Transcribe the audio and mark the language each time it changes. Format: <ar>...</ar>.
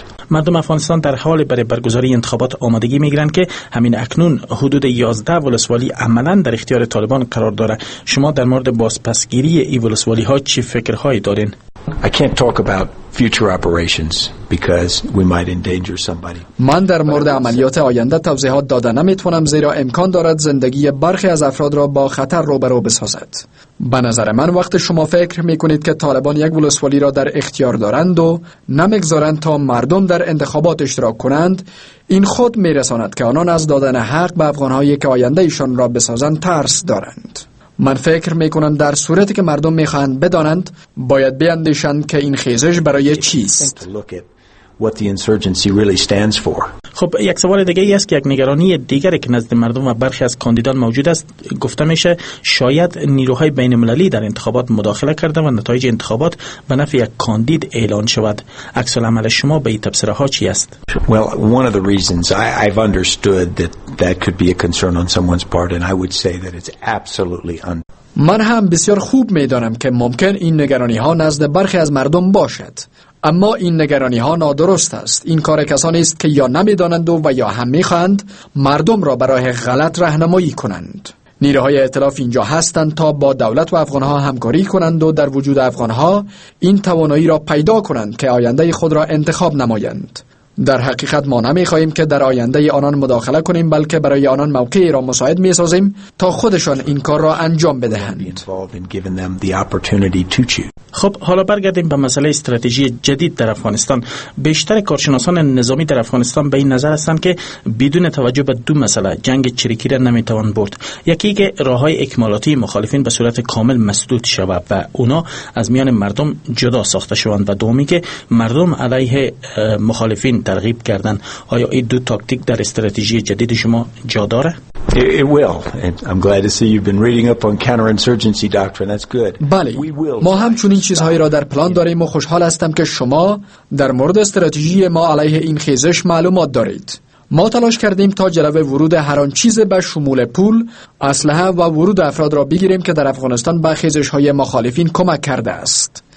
<fa>مردم افغانستان در حال برای برگزاری انتخابات آمادگی می گیرند که همین اکنون حدود 11 ولسوالی عملا در اختیار طالبان قرار دارد. شما در مورد بازپسگیری این ولسوالی ها چه فکرهایی دارین؟</fa> <en>I can't talk about future operations because we might endanger somebody.</en> <fa>من در مورد عملیات آینده توضیحات داده نمیتونم زیرا امکان دارد زندگی برخی از افراد را با خطر روبرو بسازد. به نظر من وقت شما فکر میکنید که طالبان یک ولسوالی را در اختیار دارند و نمیگذارند تا مردم در انتخابات اشتراک کنند، این خود میرساند که آنان از دادن حق به افغانهایی که آینده ایشان را بسازند ترس دارند. من فکر میکنم در صورتی که مردم میخواهند بدانند باید بیندیشند که این خیزش برای چیست.</fa> <en>What the insurgency really stands for.</en> <fa>خب یک سوال دیگه ای است که یک نگرانی دیگری که نزد مردم و برخی از کاندیدان موجود است، گفته میشه شاید نیروهای بین المللی در انتخابات مداخله کرده و نتایج انتخابات به نفع یک کاندید اعلان شود. عکس العمل شما به این تبصره ها چی است؟</fa> <en>Well, one of the reasons I've understood that could be a concern on someone's part and I would say that it's absolutely</en> <fa>من هم بسیار خوب میدانم که ممکن این نگرانی ها نزد برخی از مردم باشد، اما این نگرانی ها نادرست است. این کار کسانی است که یا نمی دانند و یا هم می خواهند مردم را برای غلط رهنمایی کنند. نیروهای ائتلاف اینجا هستند تا با دولت و افغانها همکاری کنند و در وجود افغانها این توانایی را پیدا کنند که آینده خود را انتخاب نمایند. در حقیقت ما نمی خواهیم که در آینده آنان مداخله کنیم، بلکه برای آنان موقعی را مساعد می سازیم تا خودشان این کار را انجام بدهند. خب حالا برگردیم به مسئله استراتژی جدید در افغانستان. بیشتر کارشناسان نظامی در افغانستان به این نظر هستند که بدون توجه به دو مسئله جنگ چریکی را نمی توان برد. یکی که راه‌های اکمالاتی مخالفین به صورت کامل مسدود شود و اونا از میان مردم جدا ساخته شوند، و دومی که مردم علیه مخالفین ترغیب کردن. آیا این دو تاکتیک در استراتژی جدید شما جا داره؟</fa> <en>It will. I'm glad to see you've been reading up on counterinsurgency doctrine. That's good.</en> <fa>بله. ما همچنین چیزهایی را در پلان داریم و خوشحال هستم که شما در مورد استراتژی ما علیه این خیزش معلومات دارید. ما تلاش کردیم تا جلوی ورود هر آن چیز به شمول پول، اسلحه و ورود افراد را بگیریم که در افغانستان به خیزش‌های مخالفین کمک کرده است.</fa>